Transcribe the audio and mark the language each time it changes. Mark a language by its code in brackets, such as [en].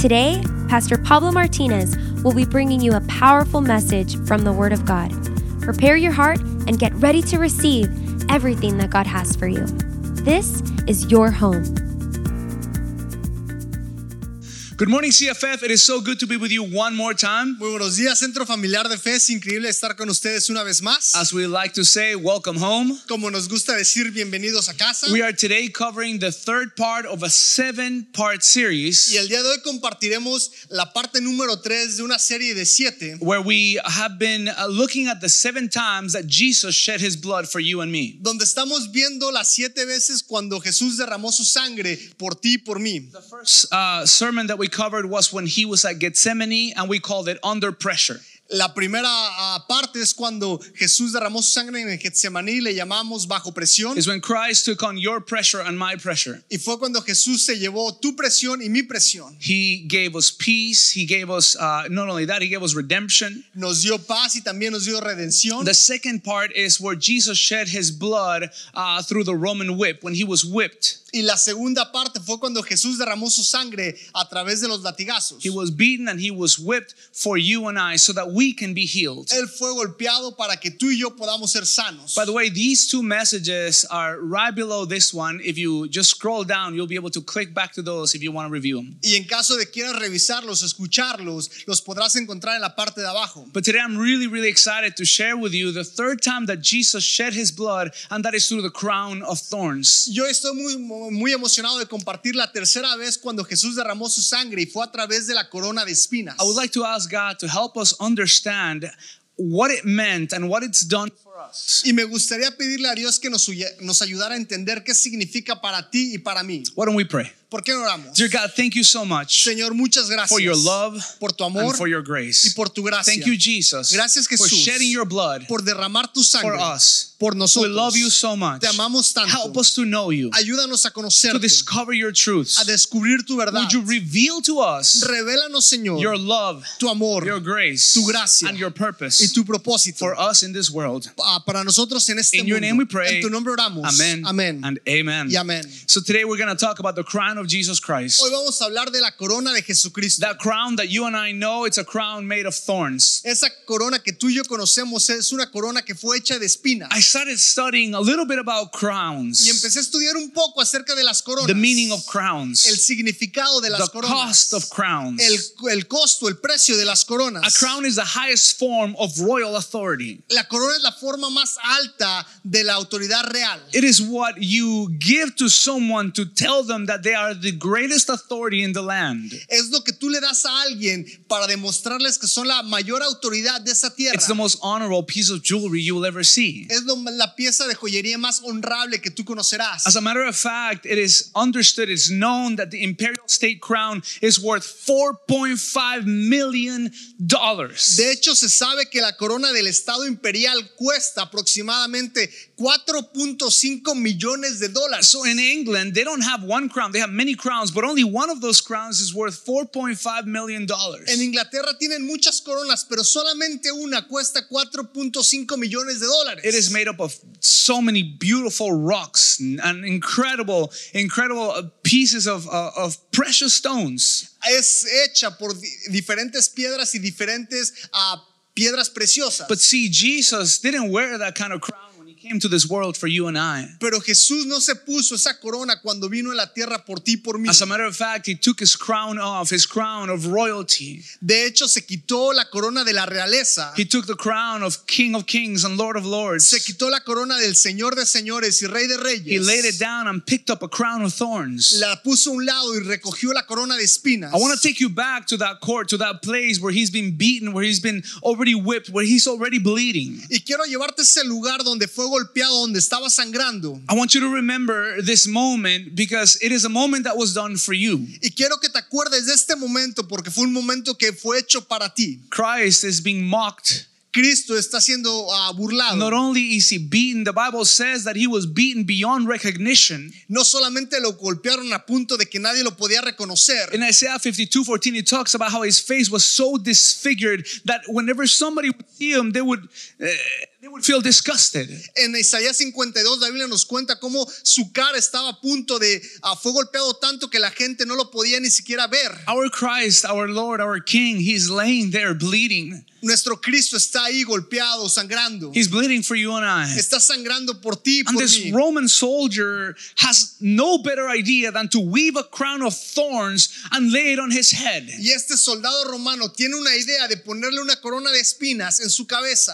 [en] Today, Pastor Pablo Martinez will be bringing you a powerful message from the Word of God. Prepare your heart and get ready to receive everything that God has for you. This is your home. Good morning, CFF. It is so good to be with you one more time. [es] Muy buenos días, Centro Familiar de Fe. Es increíble estar con ustedes una vez más. [en] As we like to say, welcome home. [es] Como nos gusta decir, bienvenidos a casa. [en] We are today covering the third part of a 7-part series. [es] Y el día de hoy compartiremos la parte número 3 de una serie de 7. [en] Where we have been looking at the 7 times that Jesus shed his blood for you and me. [es] Donde estamos viendo las 7 veces cuando Jesús derramó su sangre por ti y por mí. [en] The first sermon that we covered was when he was at Gethsemane, and we called it Under Pressure. [es] La primera parte es cuando Jesús derramó su sangre en Getsemaní, le llamamos bajo presión. [en] Is when Christ took on your pressure and my pressure. [es] Y fue cuando Jesús se llevó tu presión y mi presión. [en] He gave us peace, he gave us, not only that, he gave us redemption. [es] Nos dio paz y también nos dio redención. [en] The second part is where Jesus shed his blood through the Roman whip, when he was whipped. [es] Y la segunda parte fue cuando Jesús derramó su sangre a través de los latigazos. [en] He was beaten and he was whipped for you and I so that we can be healed. [es] Él fue golpeado para que tú y yo podamos ser sanos. [en] By the way, these two messages are right below this one. If you just scroll down, you'll be able to click back to those if you want to review them. [es] Y en caso de quieras revisarlos, escucharlos, los podrás encontrar en la parte de abajo. [en] But today I'm really, really excited to share with you the third time that Jesus shed his blood, and that is through the crown of thorns. [es] Yo estoy muy emocionado de compartir la tercera vez cuando Jesús derramó su sangre y fue a través de la corona de espinas. [en] I would like to ask God to help us understand what it meant and what it's done for us. [es] Y me gustaría pedirle a Dios que nos ayudara a entender qué significa para ti y para mí. [en] Why don't we pray? [es] ¿Por qué oramos? [en] Dear God, thank you so much. [es] Señor, muchas gracias. [en] For your love, [es] por tu amor, [en] and for your grace. [es] Y por tu gracia. [en] Thank you, Jesus. [es] Gracias, Jesús. [en] For shedding your blood. [es] Por derramar tu sangre. [en] For us. [es] Por nosotros. [en] We love you so much. [es] Te amamos tanto. [en] Help us to know you. [es] Ayúdanos a conocerte. [en] To discover your truths. [es] A descubrir tu verdad. [en] Would you reveal to us? [es] Revélanos, Señor. [en] Your love. [es] Tu amor. [en] Your grace. [es] Tu gracia. [en] And your purpose. [es] Y tu propósito. [en] For us in this world. [es] Para nosotros en este mundo. [en] In your name we pray. [es] En tu nombre oramos. [en] Amen. [es] Amen. [en] And amen. [es] Y amen. [en] So today we're going to talk about the crown of Jesus Christ. [es] Hoy vamos a hablar de la corona de Jesucristo. [en] That crown that you and I know, it's a crown made of thorns. [es] Esa corona que tú y yo conocemos es una corona que fue hecha de espinas. [en] I started studying a little bit about crowns. [es] Y empecé a estudiar un poco acerca de las coronas. [en] The meaning of crowns. [es] El significado de las [en] the [es] coronas. [en] The cost of crowns. [es] El costo, el precio de las coronas. [en] A crown is the highest form of royal authority. [es] La corona es la forma más alta de la autoridad real. [en] It is what you give to someone to tell them that they are the greatest authority in the land. [es] Es lo que tú le das a alguien para demostrarles que son la mayor autoridad de esa tierra. [en] It's the most honorable piece of jewelry you will ever see. [es] Es la pieza de joyería más honorable que tú conocerás. [en] As a matter of fact, it is understood, it's known that the imperial state crown is worth $4.5 million. [es] De hecho, se sabe que la corona del estado imperial cuesta aproximadamente $4.5 million. [en] So in England, they don't have one crown. They have many crowns, but only one of those crowns is worth $4.5 million. [es] En Inglaterra tienen muchas coronas, pero solamente una cuesta $4.5 million. [en] It is made up of so many beautiful rocks and incredible pieces of precious stones. [es] Es hecha por diferentes piedras y diferentes piedras preciosas. [en] But see, Jesus didn't wear that kind of crown. Came to this world for you and I. [es] Pero Jesús no se puso esa corona cuando vino a la tierra por ti y por mí. [en] As a matter of fact, he took his crown off, his crown of royalty. [es] De hecho, se quitó la corona de la realeza. [en] He took the crown of King of Kings and Lord of Lords. [es] Se quitó la corona del Señor de Señores y Rey de Reyes. [en] He laid it down and picked up a crown of thorns. [es] La puso a un lado y recogió la corona de espinas. [en] I want to take you back to that court, to that place where he's been beaten, where he's been already whipped, where he's already bleeding. [es] Y quiero llevarte a ese lugar donde fue golpeado, donde estaba sangrando. [en] I want you to remember this moment because it is a moment that was done for you. [es] Y quiero que te acuerdes de este momento porque fue un momento que fue hecho para ti. [en] Christ is being mocked. [es] Cristo está siendo burlado. [en] Not only is he beaten, the Bible says that he was beaten beyond recognition. [es] No solamente lo golpearon a punto de que nadie lo podía reconocer. [en] In Isaiah 52:14, it talks about how his face was so disfigured that whenever somebody would see him, They would feel disgusted. [es] En Isaías 52, la Biblia nos cuenta cómo su cara estaba a punto de fue golpeado tanto que la gente no lo podía ni siquiera ver. [en] Our Christ, our Lord, our King, he's laying there bleeding. [es] Nuestro Cristo está ahí golpeado, sangrando. [en] He's bleeding for you and I. [es] Está sangrando por ti, por mí. [en] And this Roman soldier has no better idea than to weave a crown of thorns and lay it on his head. [es] Y este soldado romano tiene una idea de ponerle una corona de espinas en su cabeza.